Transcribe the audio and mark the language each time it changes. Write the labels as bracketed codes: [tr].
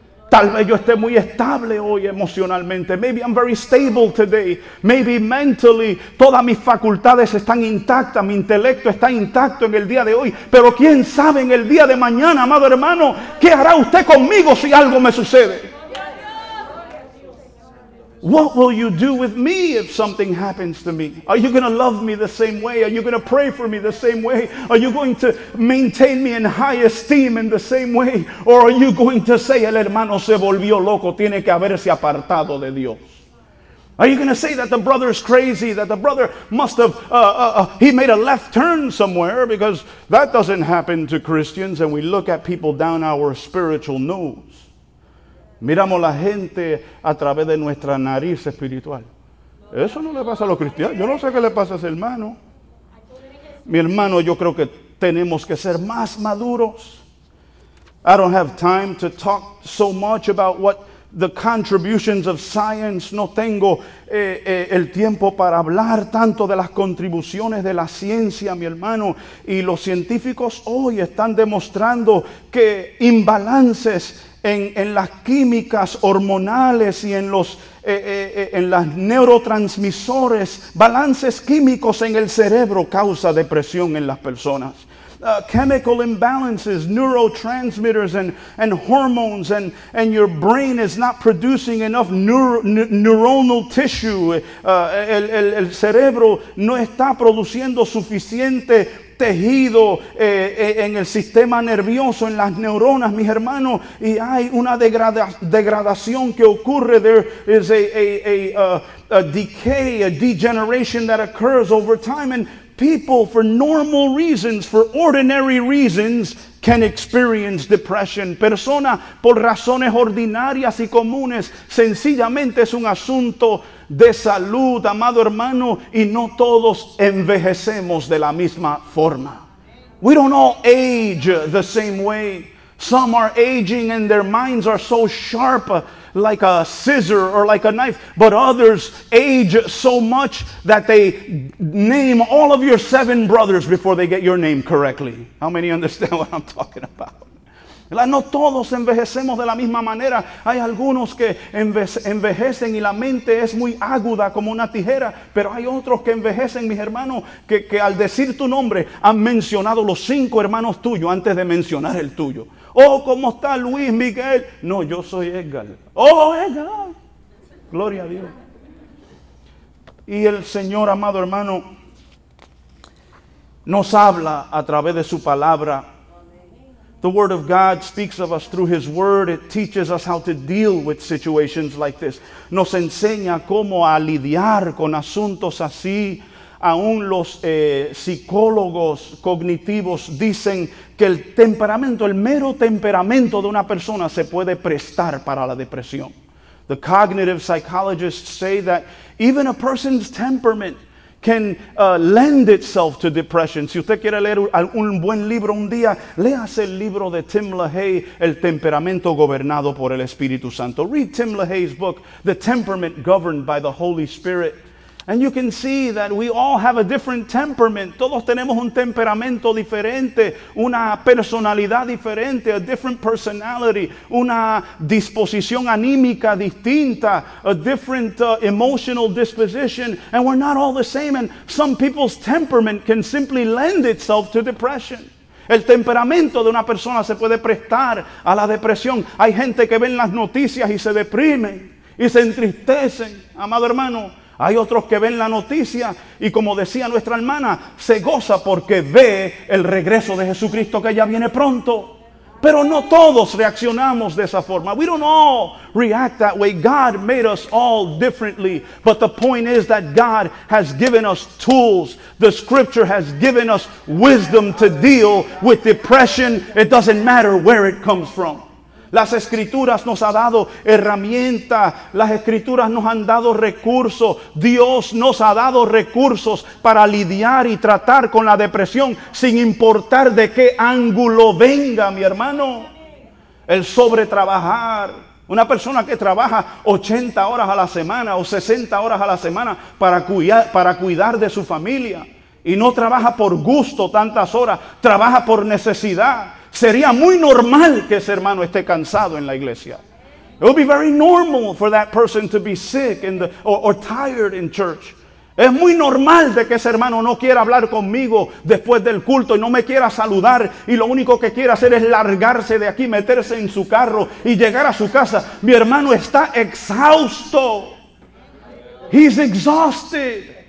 [es] Tal vez yo esté muy estable hoy emocionalmente. [en] Maybe I'm very stable today. Maybe mentally, [es] todas mis facultades están intactas. Mi intelecto está intacto en el día de hoy. Pero quién sabe en el día de mañana, amado hermano, ¿qué hará usted conmigo si algo me sucede? [en] What will you do with me if something happens to me? Are you going to love me the same way? Are you going to pray for me the same way? Are you going to maintain me in high esteem in the same way? Or are you going to say, [es] el hermano se volvió loco, tiene que haberse apartado de Dios? [en] Are you going to say that the brother is crazy, that the brother must have, he made a left turn somewhere? Because that doesn't happen to Christians, and we look at people down our spiritual nose. [es] Miramos la gente a través de nuestra nariz espiritual. Eso no le pasa a los cristianos. Yo no sé qué le pasa a ese hermano. Mi hermano, yo creo que tenemos que ser más maduros. [en] I don't have time to talk so much about what the contributions of science. [es] No tengo el tiempo para hablar tanto de las contribuciones de la ciencia, mi hermano. Y los científicos hoy están demostrando que imbalances en las químicas hormonales y en los en las neurotransmisores, balances químicos en el cerebro causa depresión en las personas. [en] Chemical imbalances, neurotransmitters and hormones, and your brain is not producing enough neuronal tissue. [es] El cerebro no está produciendo suficiente tejido en el sistema nervioso, en las neuronas, mis hermanos, y hay una degradación que ocurre. [en] There is a decay, a degeneration that occurs over time, and people, for normal reasons, for ordinary reasons, can experience depression. [es] Personas, por razones ordinarias y comunes, sencillamente es un asunto de salud, amado hermano, y no todos envejecemos de la misma forma. [en] We don't all age the same way. Some are aging and their minds are so sharp, like a scissor or like a knife, but others age so much that they name all of your seven brothers before they get your name correctly. How many understand what I'm talking about? [es] No todos envejecemos de la misma manera. Hay algunos que envejecen y la mente es muy aguda como una tijera, pero hay otros que envejecen, mis hermanos, que al decir tu nombre han mencionado los cinco hermanos tuyos antes de mencionar el tuyo. Oh, ¿cómo está Luis, Miguel? No, yo soy Edgar. Oh, Edgar. Gloria a Dios. Y el Señor, amado hermano, nos habla a través de su palabra. [en] The word of God speaks of us through his word. It teaches us how to deal with situations like this. [es] Nos enseña cómo a lidiar con asuntos así. Aún los psicólogos cognitivos dicen que el temperamento, el mero temperamento de una persona se puede prestar para la depresión. [en] The cognitive psychologists say that even a person's temperament can lend itself to depression. [es] Si usted quiere leer un buen libro un día, léase el libro de Tim LaHaye, El Temperamento Gobernado por el Espíritu Santo. [en] Read Tim LaHaye's book, The Temperament Governed by the Holy Spirit. And you can see that we all have a different temperament. [es] Todos tenemos un temperamento diferente, una personalidad diferente, [en] a different personality, [es] una disposición anímica distinta, [en] a different emotional disposition. And we're not all the same. And some people's temperament can simply lend itself to depression. [es] El temperamento de una persona se puede prestar a la depresión. Hay gente que ven las noticias y se deprimen y se entristecen, amado hermano. Hay otros que ven la noticia y, como decía nuestra hermana, se goza porque ve el regreso de Jesucristo, que ya viene pronto. Pero no todos reaccionamos de esa forma. [en] We don't all react that way. God made us all differently. But the point is that God has given us tools. The scripture has given us wisdom to deal with depression. It doesn't matter where it comes from. [es] Las escrituras nos ha dado herramientas, las escrituras nos han dado recursos, Dios nos ha dado recursos para lidiar y tratar con la depresión, sin importar de qué ángulo venga, mi hermano. El sobretrabajar, una persona que trabaja 80 horas a la semana o 60 horas a la semana para cuidar de su familia y no trabaja por gusto tantas horas, trabaja por necesidad. Sería muy normal que ese hermano esté cansado en la iglesia. [en] It would be very normal for that person to be sick in the, or tired in church. [es] Es muy normal de que ese hermano no quiera hablar conmigo después del culto y no me quiera saludar y lo único que quiera hacer es largarse de aquí, meterse en su carro y llegar a su casa. Mi hermano está exhausto. [en] He's exhausted.